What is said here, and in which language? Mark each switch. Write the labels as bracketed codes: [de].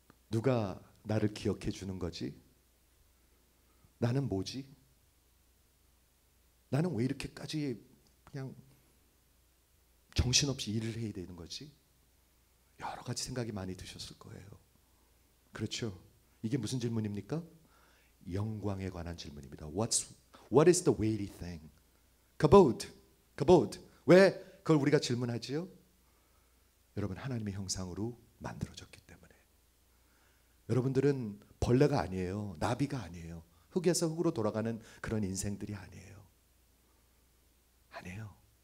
[ko] 누가 나를 기억해 주는 거지? 나는 뭐지? 나는 왜 이렇게까지 그냥 정신없이 일을 해야 되는 거지? 여러 가지 생각이 많이 드셨을 거예요. 그렇죠? 이게 무슨 질문입니까? 영광에 관한 질문입니다. [en] What is the weighty thing? [he] Kabod, Kabod. [ko] 왜 그걸 우리가 질문하지요? 여러분, 하나님의 형상으로 만들어졌기 때문에. 여러분들은 벌레가 아니에요. 나비가 아니에요. 흙에서 흙으로 돌아가는 그런 인생들이 아니에요. 아니에요.